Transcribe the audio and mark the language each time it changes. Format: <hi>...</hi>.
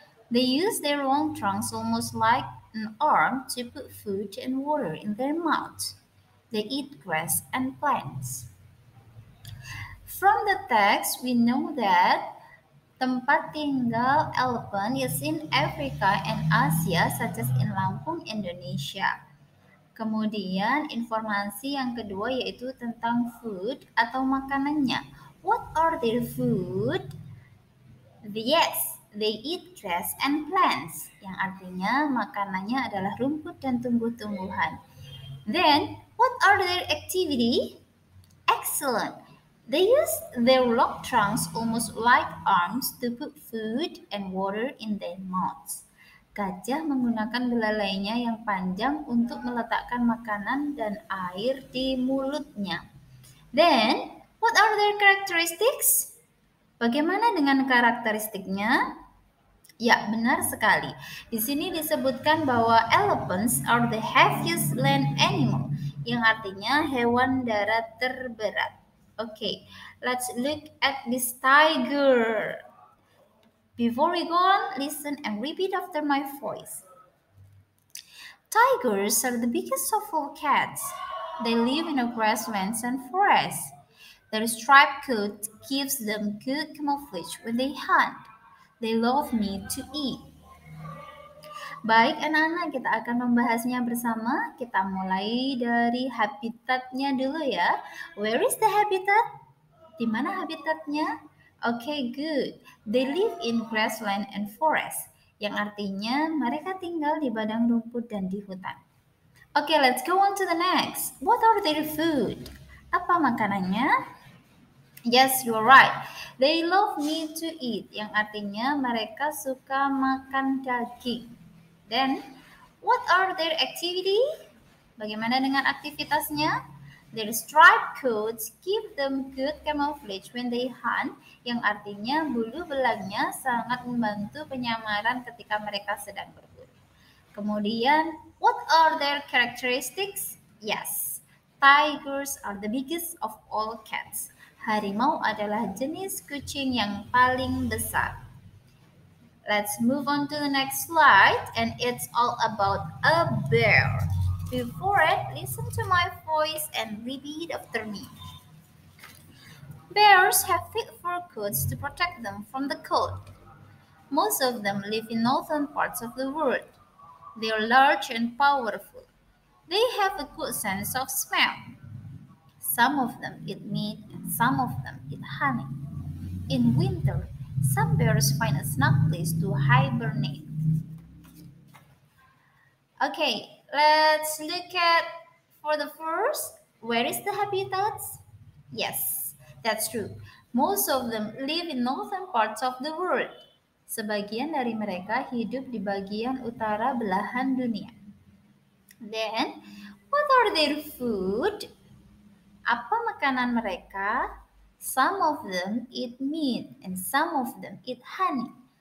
<en>They use their long trunks almost like an arm to put food and water in their mouth. They eat grass and plants. From the text, we know that</en> <id>tempat tinggal</id> <en>elephant is in Africa and Asia, such as in Lampung, Indonesia.</en> <id>Kemudian, informasi yang kedua yaitu tentang food atau makanannya.</id> <en>What are their food? Yes. They eat grass and plants,</en> <id>yang artinya makanannya adalah rumput dan tumbuh-tumbuhan.</id> <en>Then, what are their activity? Excellent. They use their long trunks almost like arms to put food and water in their mouths.</en> <id>Gajah menggunakan belalainya yang panjang untuk meletakkan makanan dan air di mulutnya.</id> <en>Then, what are their characteristics?</en> <id>Bagaimana dengan karakteristiknya? Ya, benar sekali. Di sini disebutkan bahwa</id> <en>elephants are the heaviest land animal,</en> <id>yang artinya hewan darat terberat.</id> <en>Okay, let's look at this tiger. Before we go on, listen and repeat after my voice. Tigers are the biggest of all cats. They live in a grasslands and forests. Their striped coat gives them good camouflage when they hunt. They love meat to eat.</en> <id>Baik anak-anak, kita akan membahasnya bersama. Kita mulai dari habitatnya dulu ya.</id> <en>Where is the habitat?</en> <id>Di mana habitatnya?</id> <en>Okay, good. They live in grassland and forest,</en> <id>yang artinya mereka tinggal di padang rumput dan di hutan.</id> <en>Okay, let's go on to the next. What are their food?</en> <id>Apa makanannya?</id> <en>Yes, you're right. They love meat to eat,</en> <id>yang artinya mereka suka makan daging.</id> <en>Then, what are their activity?</en> <id>Bagaimana dengan aktivitasnya?</id> <en>Their striped coats give them good camouflage when they hunt,</en> <id>yang artinya bulu belangnya sangat membantu penyamaran ketika mereka sedang berburu. Kemudian,</id> <en>what are their characteristics? Yes, tigers are the biggest of all cats.</en> <id>Harimau adalah jenis kucing yang paling besar.</id> <en>Let's move on to the next slide and it's all about a bear. Before it, listen to my voice and repeat after me. Bears have thick fur coats to protect them from the cold. Most of them live in northern parts of the world. They are large and powerful. They have a good sense of smell. Some of them eat meat and some of them eat honey. In winter, some bears find a snug place to hibernate. Okay, Let's look at for the first, where is the habitats? Yes, that's true. Most of them live in northern parts of the world.</en> <id>Sebagian dari mereka hidup di bagian utara belahan dunia.</id> <en>Then, what are their food?</en> <id>Apa makanan mereka?</id> <en>Some of them eat meat and some of them eat honey.</en>